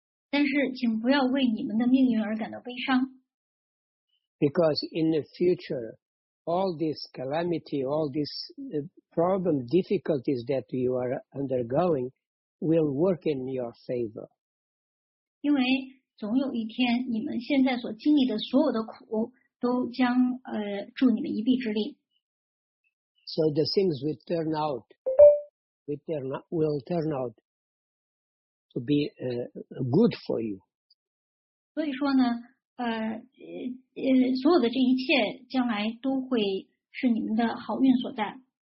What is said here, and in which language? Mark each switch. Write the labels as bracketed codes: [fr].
[zh] 但是请不要为你们的命运而感到悲伤。 [en] Because in the future, all this calamity, all this problem, difficulties that you are undergoing will work in your favor. [zh] 因为总有一天你们现在所经历的所有的苦都将助你们一臂之力。 [en] So the things will turn out. Will turn out to be good for you. [zh] 所以说呢，所有的这一切将来都会是你们的好运所在。